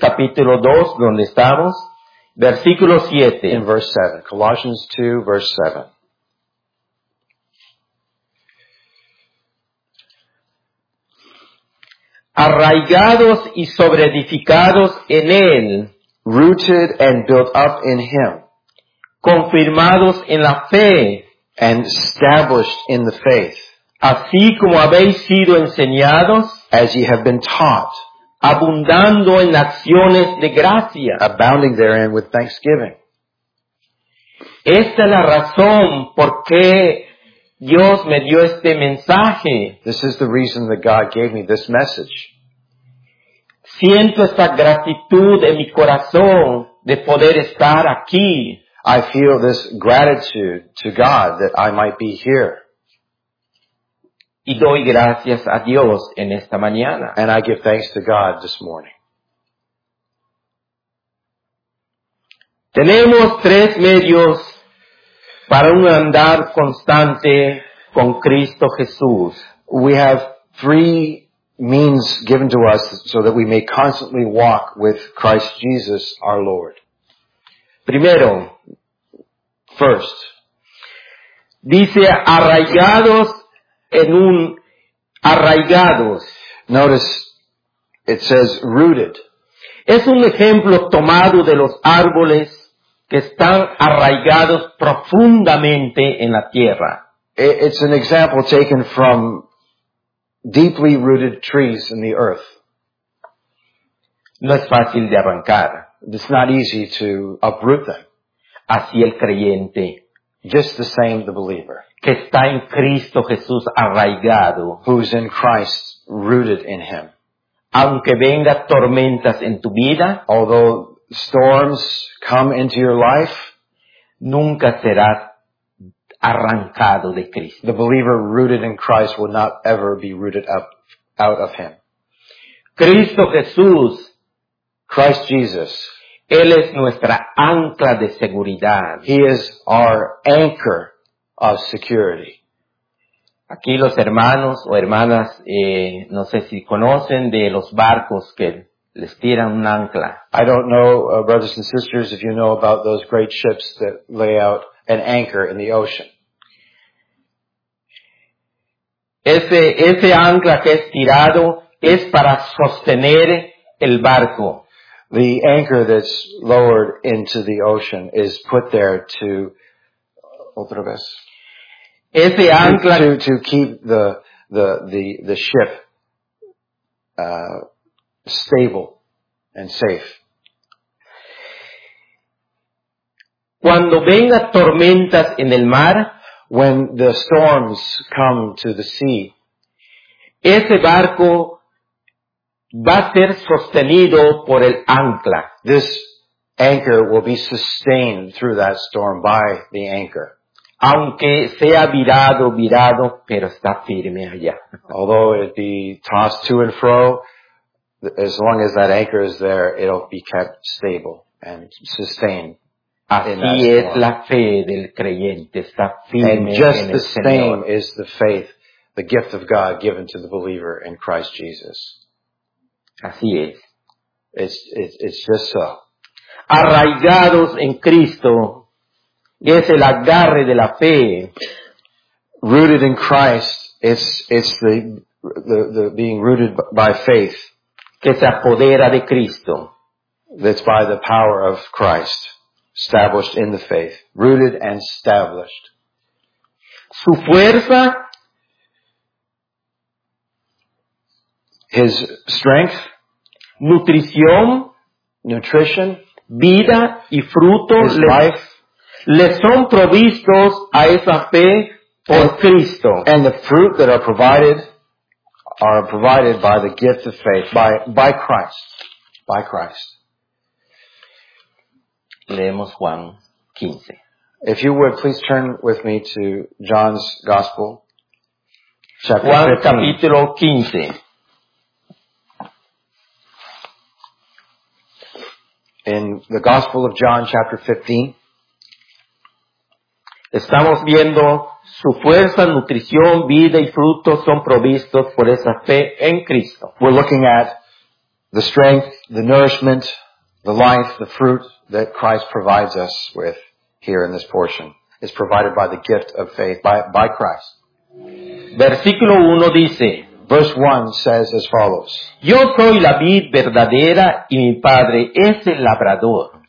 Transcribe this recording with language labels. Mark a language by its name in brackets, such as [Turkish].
[Spanish] capítulo 2, donde estamos. Versículo 7. [English] In verse 7. Colossians 2, verse 7. [Spanish] Arraigados y sobreedificados en Él. [English] Rooted and built up in Him. [Spanish] Confirmados en la fe. [English] And established in the faith. [Spanish] Así como habéis sido enseñados. [English] As ye have been taught. [Spanish] Abundando en acciones de gracia. [English] Abounding therein with thanksgiving. [Spanish] Esta es la razón por qué Dios me dio este mensaje. [English] This is the reason that God gave me this message. [Spanish] Siento esta gratitud en mi corazón de poder estar aquí. [English] I feel this gratitude to God that I might be here. [Spanish] Y doy gracias a Dios en esta mañana. [English] And I give thanks to God this morning. [Spanish] Tenemos tres medios para un andar constante con Cristo Jesús. [English] We have three means given to us so that we may constantly walk with Christ Jesus our Lord. [Spanish] Primero, [English] first, [Spanish] dice arraigados en un arraigados. [English] Notice, it says rooted. [Spanish] Es un ejemplo tomado de los árboles que están arraigados profundamente en la tierra. [English] It's an example taken from deeply rooted trees in the earth. [Spanish] No es fácil de arrancar. [English] It's not easy to uproot them. [Spanish] Así el creyente. [English] Just the same the believer. [Spanish] Que está en Cristo Jesús arraigado. [English] Who's in Christ, rooted in Him. [Spanish] Aunque venga tormentas en tu vida. [English] Although storms come into your life. [Spanish] Nunca serás arrancado de Cristo. [English] The believer rooted in Christ will not ever be rooted up out of Him. [Spanish] Cristo Jesús. [English] Christ Jesus. [Spanish] Él es nuestra ancla de seguridad. [English] He is our anchor of security. [Spanish] Aquí los hermanos o hermanas, no sé si conocen de los barcos que les tiran un ancla. [English] I don't know, brothers and sisters, if you know about those great ships that lay out an anchor in the ocean. [Spanish] Ese ancla que es tirado es para sostener el barco. [English] The anchor that's lowered into the ocean is put there to, [Spanish] otra vez, ese ancla, [English] to keep the ship stable and safe. [Spanish] Cuando venga tormentas en el mar, [English] when the storms come to the sea, [Spanish] ese barco va a ser sostenido por el ancla. [English] This anchor will be sustained through that storm by the anchor. [Spanish] Aunque sea virado, pero está firme allá. [English] Although it be tossed to and fro, as long as that anchor is there, it'll be kept stable and sustained. [Spanish] Así es la fe del creyente, está firme en el Señor. [English] Just the same is the faith, the gift of God given to the believer in Christ Jesus. [Spanish] Así es. [English] It's just so. [Spanish] Arraigados en Cristo, es el agarre de la fe. [English] Rooted in Christ, it's the being rooted by faith. [Spanish] Que se apodera de Cristo. [English] That's by the power of Christ, established in the faith, rooted and established. [Spanish] Su fuerza. [English] His strength. [Spanish] Nutrición, [English] nutrition, [Spanish] vida y fruto le son provistos a esa fe por Cristo. [English] And the fruit that are provided by the gift of faith, by Christ. [Spanish] Leemos Juan 15. [English] If you would, please turn with me to John's Gospel, chapter [Spanish] Juan 15. Capítulo 15. [English] In the Gospel of John, chapter 15. [Spanish] Estamos viendo su fuerza, nutrición, vida y fruto son provistos por esa fe en Cristo. [English] We're looking at the strength, the nourishment, the life, the fruit that Christ provides us with here in this portion. It's provided by the gift of faith, by Christ. [Spanish] Versículo 1 dice... [English] Verse 1 says as follows. [Spanish] Yo soy la vid verdadera y mi padre es el labrador.